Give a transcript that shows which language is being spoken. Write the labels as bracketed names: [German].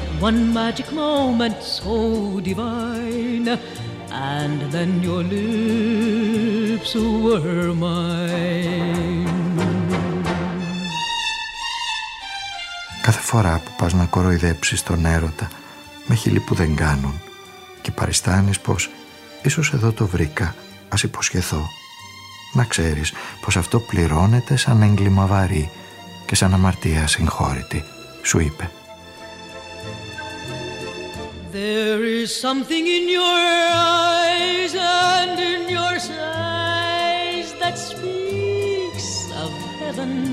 [English] One magic moment so divine, and then your lips were mine. [Greek] Κάθε φορά που πας να κοροϊδέψεις τον έρωτα με χείλη που δεν κάνουν και παριστάνεις πως ίσως εδώ το βρήκα, ας υποσχεθώ, να ξέρεις πως αυτό πληρώνεται σαν έγκλημα βαρύ και σαν αμαρτία συγχώρητη, σου είπε. [English] There is something in your eyes and in your sighs that speaks of heaven.